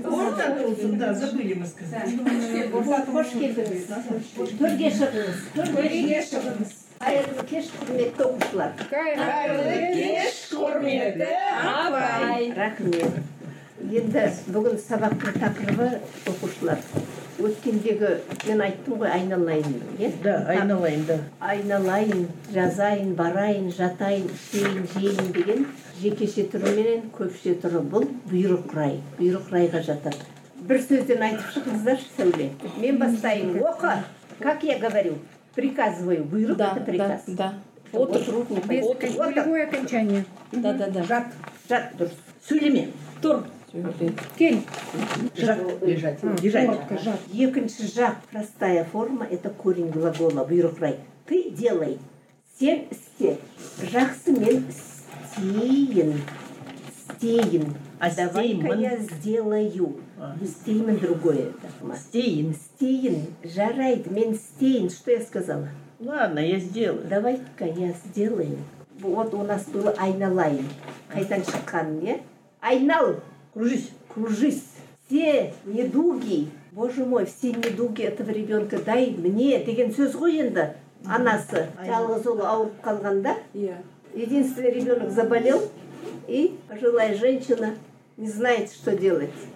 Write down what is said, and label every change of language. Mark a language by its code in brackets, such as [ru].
[kk] Орта тұрдым, [ru] да, забыли мы сказать. [kk] Хош келдіңіз. Төрге шығыңыз. Төрге шығыңыз. Қайырлы кеш, құрметті оқушылар. Қайырлы кеш, құрметті апай. Рахмет. Енді бүгін сабақтың тақырыбы оқушылар. Өткендегі мен айттым ғой айналайын. Да, айналайын, да. Айналайын, жазайын, барайын, жатайын, істейін, жейін деген жекеше түрі менен көпше түрі бұл бұйрық рай. Бұйрық райға жатады. Бір сөзден айтып шығыңыздар, сәуле. Мен бастайын. [ru] Оқы, как я говорю, приказываю. Бұйрық это приказ. Да, да, да. Без кривое окончание. Да, да, да. [kk] Жат, жат, дұрыс. Сөйлеме. Тұр. Кел. Жат. Екінші жат. [ru] Простая форма – это корень глагола. [kk] Бұйрық рай. [ru] Ты делай. [kk] Сен істе. Жақсы мен істейін. Істейін. [ru] А давай-ка я сделаю. Істеймін другое. [kk] Істейін. Істейін. Жарайды. Мен істейін. [ru] Что я сказала? Ладно, я сделаю. Давай-ка я сделаю. Вот у нас было айналайын. [kk] Қайтан шыққан, не? Айнал. [ru] Кружись. Кружись. Все недуги. Боже мой, все недуги этого ребенка дай мне. [kk] Деген сөз ғой енді анасы. Жалғыз ұлы ауырып қалғанда. [en] Yeah. [ru] Единственный ребенок заболел. И пожилая женщина не знает, что делать.